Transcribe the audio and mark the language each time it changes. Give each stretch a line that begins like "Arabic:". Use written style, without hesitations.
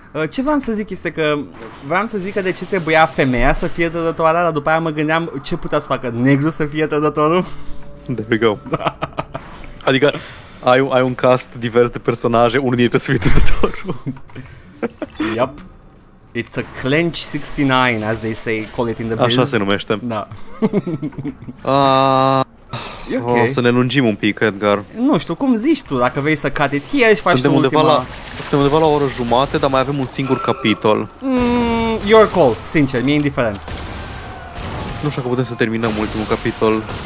Romanian: Ce vreau să zic este că vreau să zic că de ce trebuia femeia să fie trădătoarea, dar după aia mă gândeam ce putea să facă negru să fie trădătorul.
English: There we go.
Romanian: Adică ai un cast divers de personaje, unul dintre să fie trădătorul.
English: Yep. It's a clench 69, as they say, call it in the biz.
Romanian: Așa se numește. Da.
English: Okay.
Romanian: O să ne lungim un pic, Edgar. Nu știu, cum zici tu, dacă vrei să
English: cut it here
Romanian: și faci suntem tu ultima... Suntem undeva la o oră jumate, dar mai avem un singur capitol.
English: Your call,
Romanian: sincer, mi-e indiferent. Nu știu că putem să terminăm ultimul capitol.